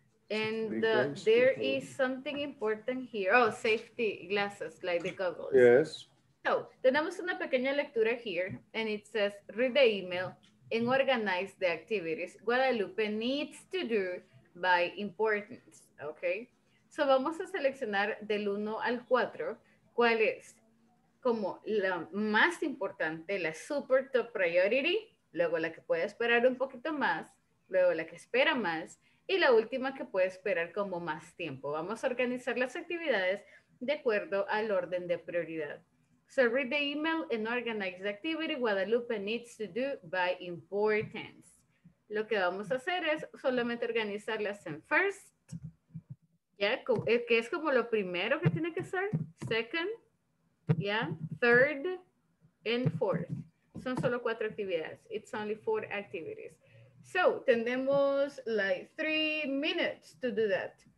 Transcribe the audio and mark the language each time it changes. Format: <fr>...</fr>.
<en>And there is something important here. Oh, safety glasses, like the goggles. Yes. So,</en> <es>tenemos una pequeña lectura</es> <en>here, and it says, read the email and organize the activities Guadalupe needs to do by importance, okay?</en> <es>So, vamos a seleccionar del 1 al 4, cuál es como la más importante, la</es> <en>super top priority,</en> <es>luego la que puede esperar un poquito más, luego la que espera más, y la última que puede esperar como más tiempo. Vamos a organizar las actividades de acuerdo al orden de prioridad.</es> <en>So read the email and organize the activity Guadalupe needs to do by importance.</en> <es>Lo que vamos a hacer es solamente organizarlas en first, ¿ya? Que es como lo primero que tiene que ser.</es> <en>Second, ¿ya? Third and fourth.</en> <es>Son solo cuatro actividades.</es> <en>It's only four activities. So, tenemos like 3 minutes to do that.</en>